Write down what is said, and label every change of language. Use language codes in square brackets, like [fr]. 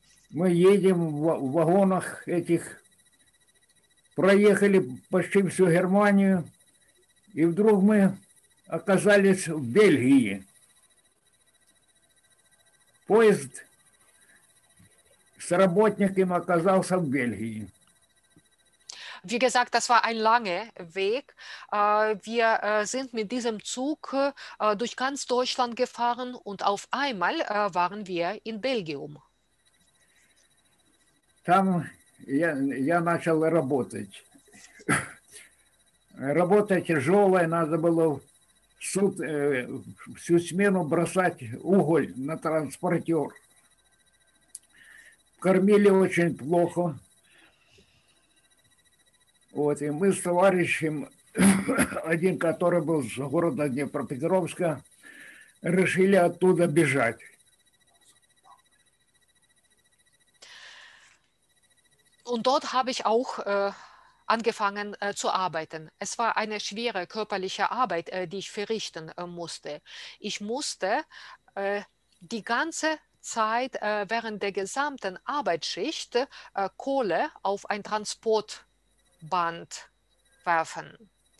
[ru] Мы едем в вагонах этих, проехали почти всю Германию, и вдруг мы оказались в Бельгии. Поезд с работником оказался в Бельгии. [de] Wie gesagt, das war ein langer Weg. Wir sind mit diesem Zug durch ganz Deutschland gefahren und auf einmal waren wir in Belgien. [ru] Там я начал работать. Работа тяжелая, надо было всю смену бросать уголь на транспортер. кормили очень плохо. Вот, и мы с товарищем, один, который был с города Днепропетровска, решили оттуда бежать. [de] Und dort habe ich auch angefangen zu arbeiten. Es war eine schwere körperliche Arbeit, die ich verrichten musste. Ich musste die ganze Zeit während der gesamten Arbeitsschicht Kohle auf ein Transportband werfen.